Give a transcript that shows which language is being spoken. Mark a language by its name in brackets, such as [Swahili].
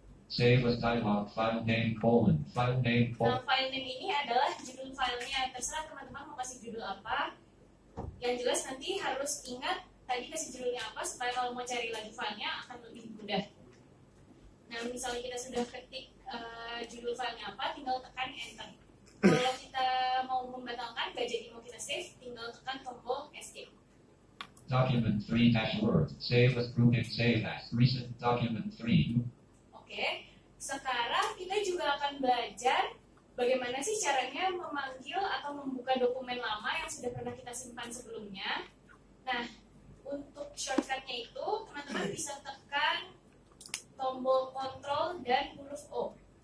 [English] Save as dialog, file name, colon, file name, colon. [Indonesian] Nah, file name ini adalah judul filenya, terserah teman-teman mau kasih judul apa. Yang jelas nanti harus ingat tadi kasih judulnya apa, supaya kalau mau cari lagi filenya akan lebih mudah. Nah, misalnya kita sudah ketik judul filenya apa, tinggal tekan enter. Kalau kita mau membatalkan, gak jadi mau kita save, tinggal tekan tombol escape. [English] Document 3-word, save as grouping, save as recent document 3. [Indonesian] Oke, sekarang kita juga akan belajar bagaimana sih caranya memanggil atau membuka dokumen lama yang sudah pernah kita simpan sebelumnya. Nah, untuk shortcutnya itu, teman-teman bisa tekan tombol Ctrl dan huruf O.